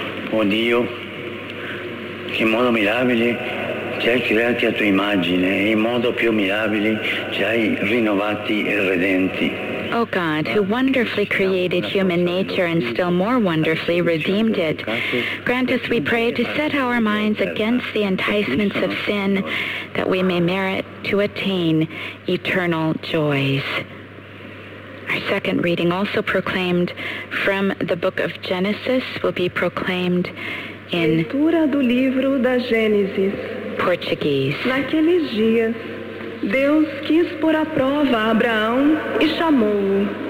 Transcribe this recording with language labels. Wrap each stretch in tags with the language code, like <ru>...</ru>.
<it>O Dio, che in modo mirabile ci hai creati a tua immagine e in modo più mirabile ci hai rinnovati e redenti.</it> <en>O God, who wonderfully created human nature and still more wonderfully redeemed it, grant us, we pray, to set our minds against the enticements of sin that we may merit to attain eternal joys. Our second reading, also proclaimed from the book of Genesis, will be proclaimed in</en> <pt>Leitura do livro da Gênesis.</pt> <en>Portuguese.</en> <pt>Naqueles dias, Deus quis pôr à prova Abraão e chamou-o.</pt>